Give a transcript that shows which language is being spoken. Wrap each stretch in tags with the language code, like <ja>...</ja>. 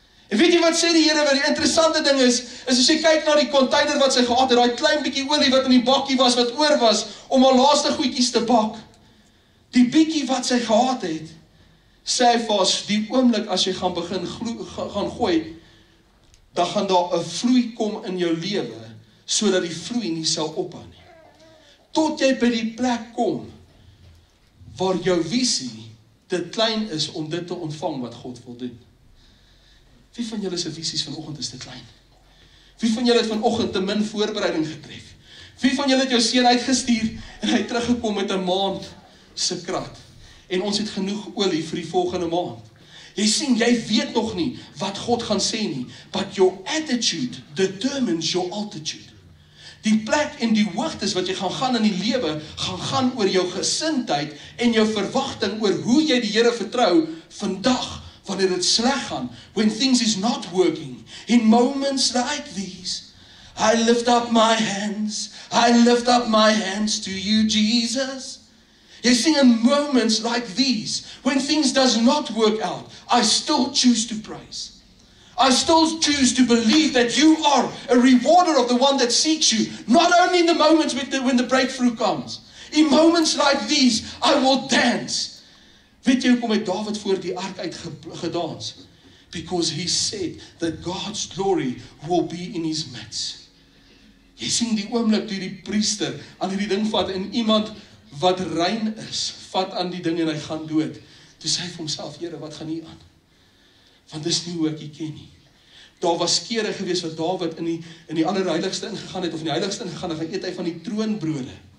<af>En weet jy wat sê die Here, wat die interessante ding is, is as jy kyk na die container wat sy gehad het, die klein bykie olie wat in die bakkie was, wat oor was, om haar laaste goedjies te bak, die bykie wat sy gehad het, sê hy vas, die oomblik as jy gaan begin gaan gooi, dan gaan daar 'n vloei kom in jou lewe, so dat die vloei nie sal ophou nie. Tot jy by die plek kom, waar jou visie te klein is om dit te ontvang wat God wil doen. Wie van julle se visies vanoggend is te klein? Wie van julle het vanoggend te min voorbereiding getref? Wie van julle het jou seun uitgestuur en hy teruggekom met 'n maand se krat? en ons het genoeg olie vir die volgende maand. Jy sien, jy weet nog nie wat God gaan sê nie,</af> <en>but your attitude determines your altitude.</en> <af>Die plek en die hoogtes wat jy gaan gaan in die lewe, gaan gaan oor jou gesindheid en jou verwagting oor hoe jy die Here vertrou vandag, wanneer het sleg gaan,</af> <en>when things is not working, in moments like these. I lift up my hands, I lift up my hands to you, Jesus. You see, in moments like these, when things does not work out, I still choose to praise. I still choose to believe that you are a rewarder of the one that seeks you, not only in the moments with the, when the breakthrough comes. In moments like these, I will dance.</en> <af>Weet jy hoekom het David voor die ark uit gedans?</af> <en>Because he said that God's glory will be in his midst.</en> <af>Jy sien die oomblik toe die priester aan hierdie ding vat en iemand wat rein is, vat aan die ding en hy gaan dood. Toe sê hy vir homself, Here, wat gaan hier aan? Want dis nie hoe ek hier ken nie. Daar was kere gewees wat David in die allerheiligste ingegaan het, of in die heiligste ingegaan, en gaan eet hy van die troonbrode.</af>